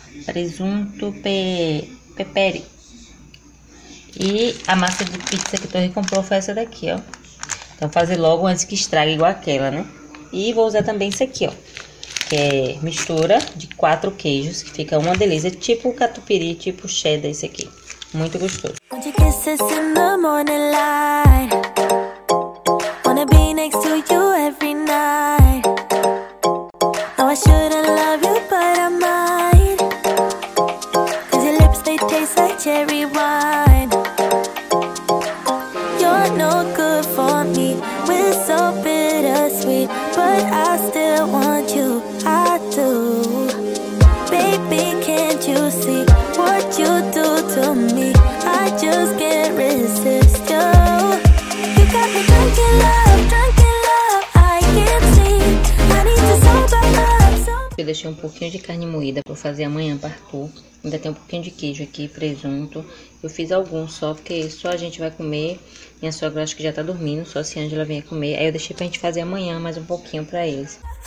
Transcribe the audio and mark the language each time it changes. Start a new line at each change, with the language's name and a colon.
Portuguese: Presunto peperi. E a massa de pizza que tu recomprou foi essa daqui, ó. Então fazer logo antes que estrague igual aquela, né? E vou usar também isso aqui, ó. Que é mistura de quatro queijos, que fica uma delícia, tipo catupiry, tipo cheddar esse aqui. Muito gostoso.
English: Kisses in the morning light. Wanna be next to you every night. Oh, I shouldn't love you, but I might. Cause your lips, they taste like cherry wine. You're no good for me. We're so bittersweet. But I still want you, I do. Baby, can't you see what you do to me? I just can't resist you. You got me drunk in love, I can't sleep. I need to sober up, sober.
Portuguese: Eu deixei um pouquinho de carne moída pra fazer amanhã pra Arthur. Ainda tem um pouquinho de queijo aqui, presunto. Eu fiz algum só, porque só a gente vai comer. Minha sogra acho que já tá dormindo, só se a Angela vier comer. Aí eu deixei pra gente fazer amanhã mais um pouquinho pra eles.